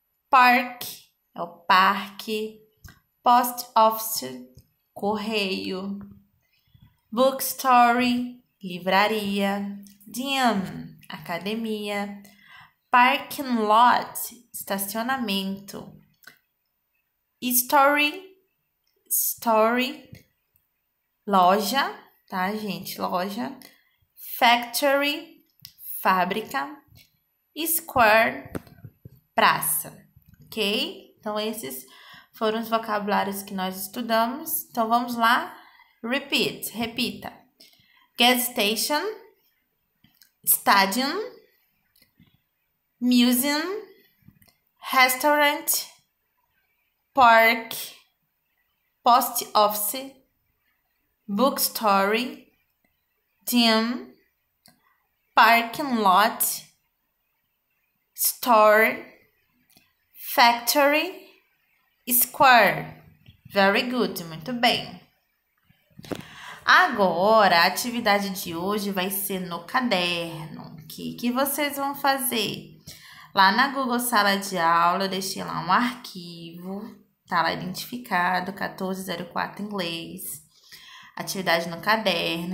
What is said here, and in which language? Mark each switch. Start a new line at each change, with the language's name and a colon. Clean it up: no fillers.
English: park,
Portuguese: é o parque,
English: post office,
Portuguese: correio,
English: bookstore,
Portuguese: livraria,
English: gym,
Portuguese: academia,
English: parking lot,
Portuguese: estacionamento,
English: story,
Portuguese: loja, tá, gente? Loja,
English: factory,
Portuguese: fábrica,
English: square,
Portuguese: praça, ok? Então, esses foram os vocabulários que nós estudamos. Então, vamos lá.
English: Repeat,
Portuguese: repita.
English: Gas station, stadium, museum, restaurant, park, post office, bookstore, gym, parking lot, store, factory, square. Very good,
Portuguese: muito bem. Agora, a atividade de hoje vai ser no caderno. O que vocês vão fazer? Lá na Google Sala de Aula, eu deixei lá um arquivo. Tá lá identificado, 1404 inglês, atividade no caderno.